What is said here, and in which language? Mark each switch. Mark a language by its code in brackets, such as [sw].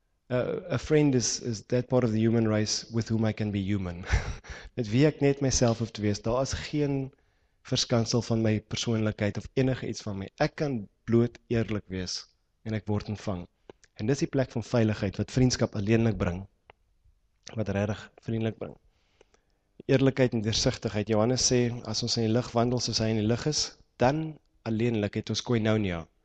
[en] A friend is that part of the human race with whom I can be human. [af] Met wie ek net myself hoef te wees, daar is geen verskansel van my persoonlikheid of enige iets van my. Ek kan bloot eerlik wees en ek word ontvang. En dis die plek van veiligheid wat vriendskap alleenlik bring. Wat regtig vriendelik bring. Eerlikheid en deursigtigheid. Johannes sê, as ons in die lig wandel soos hy in die lig is, dan alleenlik het ons koinonia.